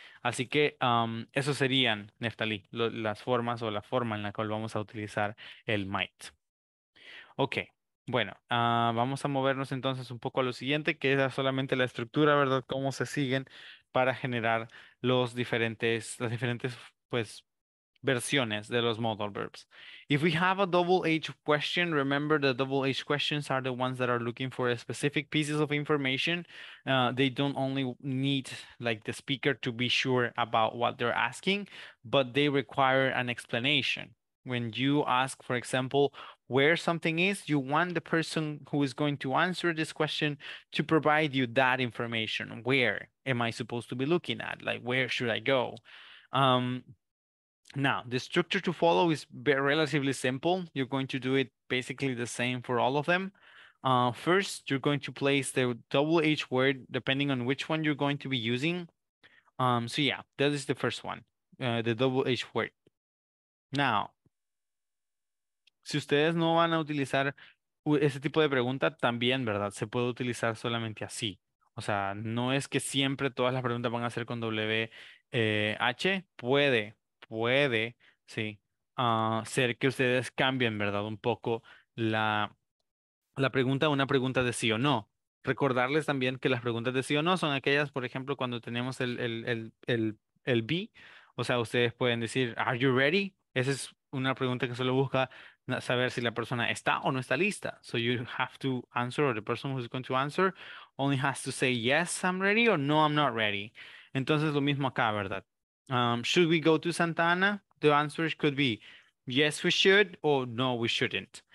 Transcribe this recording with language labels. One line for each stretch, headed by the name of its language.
Spanish: Así que eso serían, Neftalí, las formas o la forma en la cual vamos a utilizar el might. Ok, bueno, vamos a movernos entonces un poco a lo siguiente, que es solamente la estructura, ¿verdad?, cómo se siguen para generar las diferentes, pues, versiones de los modal verbs.
English: If we have a double H question, remember the double H questions are the ones that are looking for a specific pieces of information. They don't only need like the speaker to be sure about what they're asking, but they require an explanation. When you ask, for example, where something is, you want the person who is going to answer this question to provide you that information. Where am I supposed to be looking at? Like, where should I go? Now, the structure to follow is relatively simple. You're going to do it basically the same for all of them. First, you're going to place the double H word depending on which one you're going to be using. So yeah, that is the first one, the double H word.
Spanish: Now, si ustedes no van a utilizar ese tipo de pregunta, también, ¿verdad?, se puede utilizar solamente así. O sea, no es que siempre todas las preguntas van a ser con WH. Puede, sí, ser que ustedes cambien, ¿verdad?, un poco la pregunta, una pregunta de sí o no. Recordarles también que las preguntas de sí o no son aquellas, por ejemplo, cuando tenemos el be, o sea, ustedes pueden decir,
English: are you ready?
Spanish: Esa es una pregunta que solo busca saber si la persona está o no está lista.
English: So you have to answer, or the person who's going to answer only has to say yes, I'm ready, or no, I'm not ready.
Spanish: Entonces, lo mismo acá, ¿verdad?
English: Should we go to Santa Ana? The answer could be yes, we should, or no, we shouldn't.